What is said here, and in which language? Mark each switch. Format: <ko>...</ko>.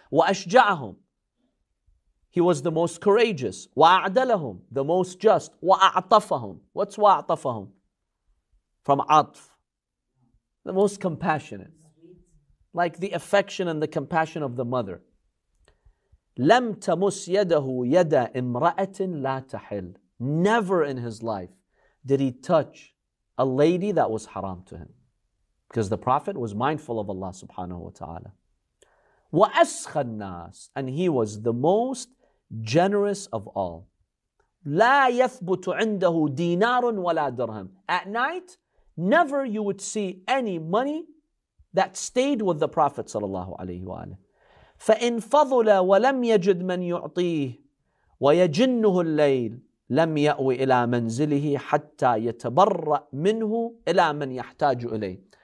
<ar>وأشجعهم.</ar> <en>He was the most courageous.</en> <ar>وأعدلهم.</ar> <en>The most just.</en> <ar>وأعطفهم.</ar> <en>What's وأعطفهم? From عطف. The most compassionate. Like the affection and the compassion of the mother.</en> <ar>لم تمس يده يد امرأة لا تحل.</ar> <en>Never in his life did he touch a lady that was haram to him. Because the Prophet was mindful of Allah subhanahu wa ta'ala.</en> <ar>وأسخى الناس.</ar> <en>And he was the most generous of all.</en> <ar>لا يثبت عنده دينار ولا درهم.</ar> <en>At night, never you would see any money that stayed with the Prophet sallallahu alayhi wa alayhi.</en> <ar>فَإِنْ فَضُلَ وَلَمْ يَجِدْ مَنْ يُعْطِيهِ وَيَجِنُّهُ اللَّيْلِ لَمْ يَأْوِ إِلَىٰ مَنْزِلِهِ حَتَّى يَتَبَرَّ مِنْهُ إِلَىٰ مَنْ يَحْتَاجُ إِلَيْهِ.</ar>